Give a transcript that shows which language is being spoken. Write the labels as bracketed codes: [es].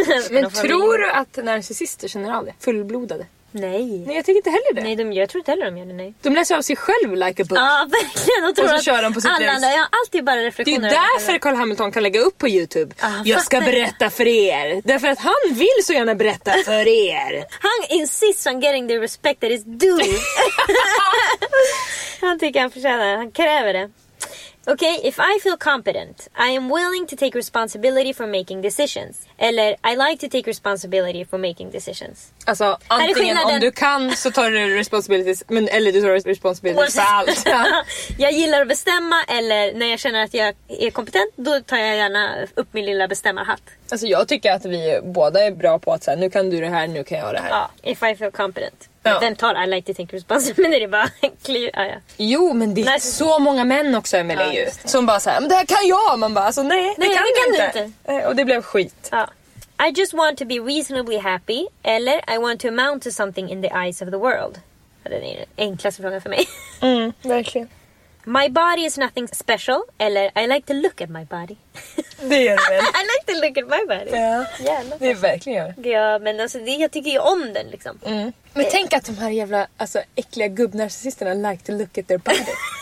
[sv] Men tror du att narcissister känner av det? Fullblodade? Nej. Nej, jag tycker inte heller det. Nej, jag tror inte heller de gör det, nej. De läser av sig själv [en] like a book. [sv] Ja, verkligen. Och så kör de på sitt alla, jag har alltid bara reflektioner. Det är därför Carl Hamilton kan lägga upp på YouTube. Ah, jag ska berätta för er. Därför att han vill så gärna berätta för er. [en] Han insists on getting the respect that is due. [sv] Han tycker han förtjänar. Han kräver det. [en] Okay, if I feel competent, I am willing to take responsibility for making decisions. Eller, I like to take responsibility for making decisions. [sv] Alltså, antingen om du kan så tar du responsibilities, men, eller du tar responsibilities för allt. Jag gillar att bestämma, eller när jag känner att jag är kompetent, då tar jag gärna upp min lilla bestämmarhatt. Alltså, jag tycker att vi båda är bra på att säga, nu kan du det här, nu kan jag det här. [en] Ja, if I feel competent. [sv] Vem tar [en] I like to think responsibility bara ja. [sv] Jo, men det är nej, så många män också, Emily, ja, som bara säger, men det här kan jag. Man bara, alltså, nej, det kan du inte. Och det blev skit. Ja. [en] I just want to be reasonably happy, eller I want to amount to something in the eyes of the world. [sv] Det är den enklaste frågan för mig. Mm, verkligen. [en] My body is nothing special, eller I like to look at my body. [sv] Det gör det väl. [en] I like to look at my body. [sv] Ja, det är verkligen det. Ja, men alltså, jag tycker ju om den liksom. Mm. Men tänk att de här jävla alltså, äckliga gubbnarcissisterna [en] like to look at their body.